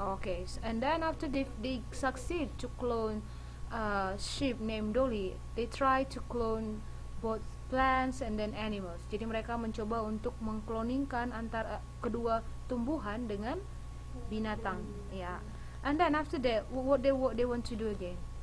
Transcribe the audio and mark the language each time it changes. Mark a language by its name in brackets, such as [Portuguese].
[English] Okay, and then after they succeed to clone a sheep named Dolly, they try to clone both plants and then animals. [Indonesian] Jadi mereka mencoba untuk mengkloningkan antara kedua tumbuhan dengan binatang. Ya. Yeah. [English] And then after that, what they want to do again?